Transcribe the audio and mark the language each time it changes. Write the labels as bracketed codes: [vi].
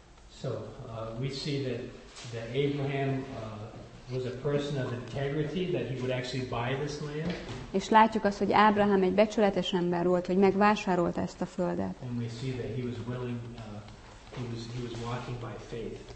[en] So we see that Abraham was a person of integrity, that he would actually buy this land. [hu] És látjuk azt, hogy Ábrahám egy becsületes ember volt, hogy megvásárolta ezt a földet. [en] And we see that he was willing, He was walking by faith.